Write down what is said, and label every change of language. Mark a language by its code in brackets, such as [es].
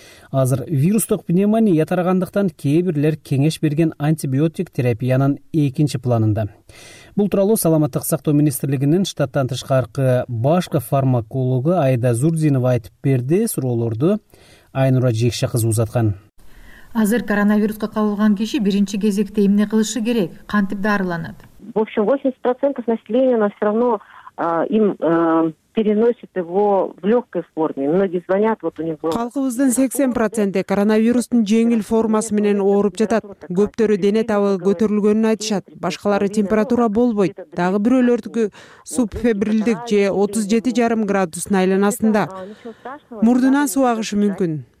[ky] Азыр вирустук пневмония тарагандыктан кээ бирлер кеңеш берген антибиотик терапиянын экинчи планында. Бул тууралуу саламаттык сактоо министрлигинин штаттан тышкаркы башкы фармакологу Айда Зурдинова айтып берди. Суроолорду Айнура Жекше кызы узаткан. Азыр коронавируска кабылган киши биринчи кезекте эмне кылышы керек? Кантип дарыланат? [ru] В общем, 80% населения, но все равно им переносит его в легкой форме. Многие звонят, вот у него. [ky] Калкыбыздын 80% коронавирустун жеңил формасы менен ооруп жатат. Көптөрү дене табы көтөрүлгөнүн айтышат. Башкалары температура болбойт. Дагы бирөөлөрдүкү субфебрилдик же 37.5 градустун айланасында. Мурдунан суу агышы мүмкүн.